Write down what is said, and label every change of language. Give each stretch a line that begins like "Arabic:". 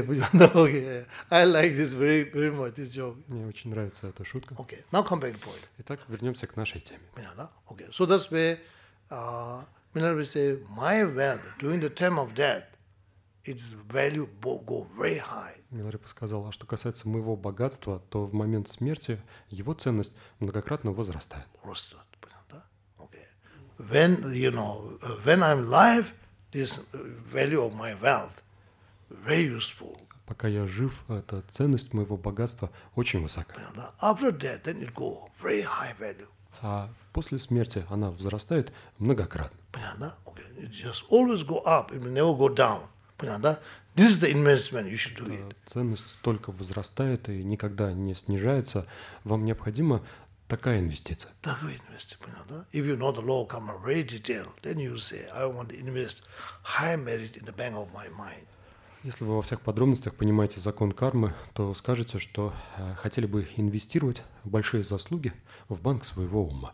English: Okay. I like this very, very much, this joke.
Russian: Мне очень нравится эта шутка.
English: Okay, now come back to point.
Russian: Итак, вернемся к нашей теме. Понятно?
English: Okay, so that's where Minerva say, my wealth during the time of death, its value will go very high.
Russian: Миларепа сказал, а что касается моего богатства, то в момент смерти его ценность многократно возрастает. Растет, понятно, да?
English: Okay. When, you know, when I'm alive, this value of my wealth very useful.
Russian: Пока я жив, эта ценность моего богатства очень высока. Понятно, да?
English: After death, then it go very high value.
Russian: А после смерти она возрастает многократно. Понятно, да?
English: Okay. It just always go up, it will never go down.
Russian: Понятно, да?
English: This is the investment you should do it.
Russian: Ценность только возрастает и никогда не снижается. Вам необходима такая инвестиция. Такая инвестиция, понятно, да?
English: If you know the law come very detailed, then you say, I want to invest high merit in the bank of my mind.
Russian: Если вы во всех подробностях понимаете закон кармы, то скажете, что хотели бы инвестировать большие заслуги в банк своего ума.